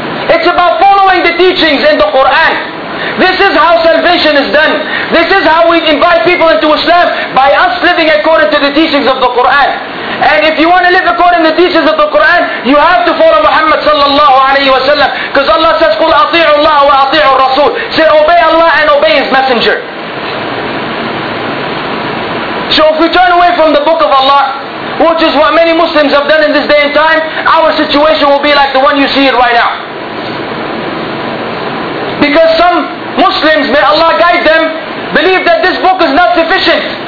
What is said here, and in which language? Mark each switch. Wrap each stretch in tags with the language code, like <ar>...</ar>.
<en>It's about following the teachings in the Quran. This is how salvation is done. This is how we invite people into Islam, by us living according to the teachings of the Quran. And if you want to live according to the teachings of the Quran, you have to follow Muhammad sallallahu alayhi wa sallam. Because Allah says,</en> <ar>قُلْ أَطِيعُ اللَّهَ وَأَطِيعُ الرَّسُولِ.</ar> <en>Say, obey Allah and obey His Messenger. So if we turn away from the book of Allah, which is what many Muslims have done in this day and time, our situation will be like the one you see it right now. Because some Muslims, may Allah guide them, believe that this book is not sufficient.</en>